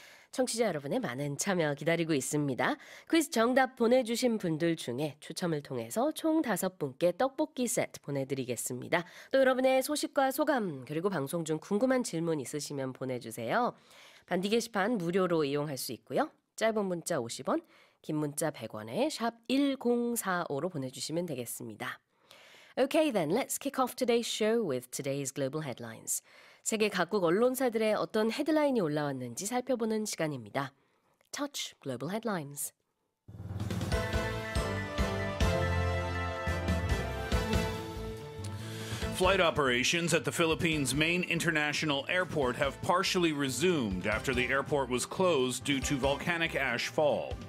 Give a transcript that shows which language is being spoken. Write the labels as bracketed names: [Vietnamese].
[Korean] 청취자 여러분의 많은 참여 기다리고 있습니다. 퀴즈 정답 보내주신 분들 중에 추첨을 통해서 총 5분께 떡볶이 세트 보내드리겠습니다. 또 여러분의 소식과 소감 그리고 방송 중 궁금한 질문 있으시면 보내주세요. 반디 게시판 무료로 이용할 수 있고요. 짧은 문자 50원, 긴 문자 100원에 샵 1045로 보내주시면 되겠습니다. [English] Okay then, let's kick off today's show with today's global headlines. [Korean] 세계 각국 언론사들의 어떤 헤드라인이 올라왔는지 살펴보는 시간입니다. [English] Touch Global Headlines. 플라이트 오퍼레이션스 at the Philippines' main international airport have partially resumed after the airport was closed due to volcanic ash fall.